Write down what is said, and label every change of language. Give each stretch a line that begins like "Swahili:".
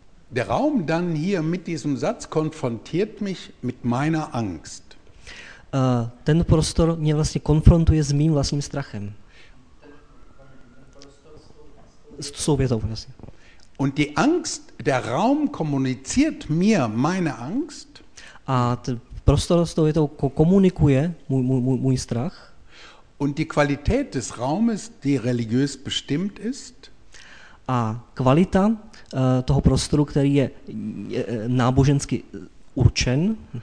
German: Der Raum dann hier mit diesem Satz konfrontiert mich mit meiner Angst.
Czech: Ten prostor mě vlastně konfrontuje s mým vlastním strachem. S souvětou vlastně.
German: Und die Angst, der Raum kommuniziert mir meine Angst.
Czech: A prostor s tou větou komunikuje můj strach.
German: Und die Qualität des Raumes, die religiös bestimmt ist.
Czech: A kvalita toho prostoru, který je nábožensky určen.